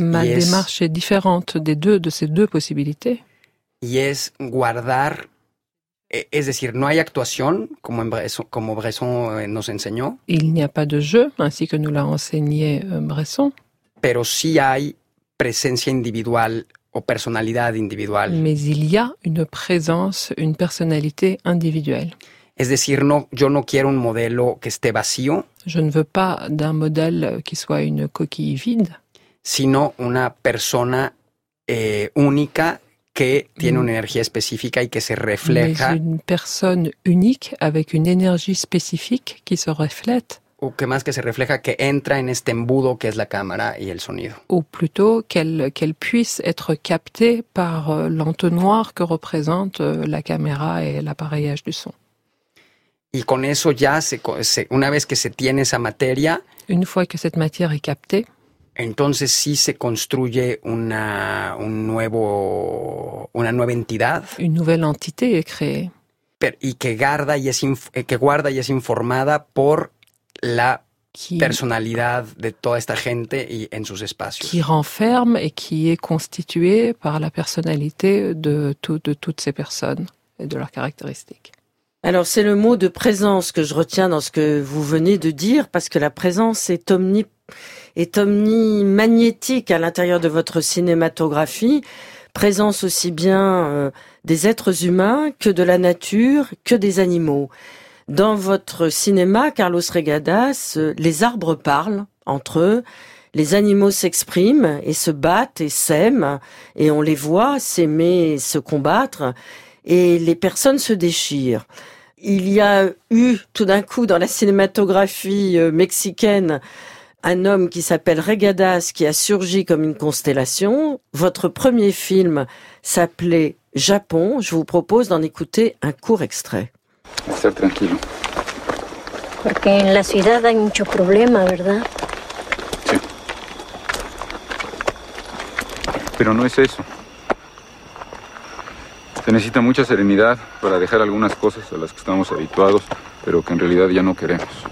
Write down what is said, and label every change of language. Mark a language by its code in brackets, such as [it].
[fr] Ma démarche est différente de ces deux possibilités. [es] Y es guardar, es decir, no hay actuación como Bresson nos enseñó. [fr] Il n'y a pas de jeu ainsi que nous l'a enseigné Bresson. [es] Pero sí hay presencia individual o personalidad individual. [fr] Mais il y a une présence, une personnalité individuelle. [es] Es decir, no, yo no quiero un modelo que esté vacío. [fr] Je ne veux pas d'un modèle qui soit une coquille vide. [es] Sino una persona única que tiene una energía específica y que se refleja. [fr] Mais une personne unique avec une énergie spécifique qui se reflète. [es] O que más que se refleja, que entra en este embudo que es la cámara y el sonido. [fr] Ou plutôt qu'elle puisse être captée par l'entonnoir que représente la caméra et l'appareillage du son. [es] Y con eso ya se una vez que se tiene esa materia, [fr] une fois que cette matière est captée, [es] entonces sí se construye una nueva entidad, [fr] une nouvelle entité est créée. [es] Y que guarda y es informada por la personalidad de toda esta gente y en sus espacios. [fr] Qui renferme et qui est constituée par la personnalité de toutes ces personnes et de leurs caractéristiques. Alors c'est le mot de présence que je retiens dans ce que vous venez de dire, parce que la présence est omnimagnétique à l'intérieur de votre cinématographie, présence aussi bien des êtres humains que de la nature, que des animaux. Dans votre cinéma, Carlos Regadas, les arbres parlent entre eux, les animaux s'expriment et se battent et s'aiment, et on les voit s'aimer et se combattre, et les personnes se déchirent. Il y a eu tout d'un coup dans la cinématographie mexicaine un homme qui s'appelle Regadas qui a surgi comme une constellation. Votre premier film s'appelait Japon. Je vous propose d'en écouter un court extrait. [es] Está tranquilo. Porque en la ciudad hay mucho problema, ¿verdad? Sí. Pero no es eso. Se necesita mucha serenidad para dejar algunas cosas a las que estamos habituados, pero que en realidad ya no queremos.